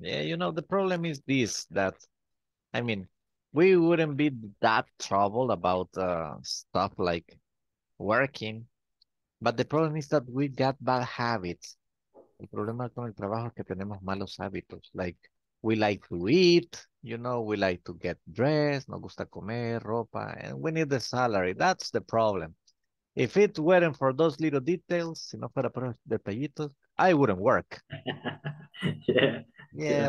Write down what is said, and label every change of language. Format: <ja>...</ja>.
<en>Yeah, you know, the problem is this, that, I mean, we wouldn't be that troubled about stuff like working. But the problem is that we got bad habits.</en> <es>El problema con el trabajo es que tenemos malos hábitos.</es> <en>Like, we like to eat, you know, we like to get dressed,</en> <es>nos gusta comer, ropa,</es> <en>and we need the salary. That's the problem. If it weren't for those little details,</en> <es>si no fuera por detallitos,</es> <en>I wouldn't work. Yeah,</en>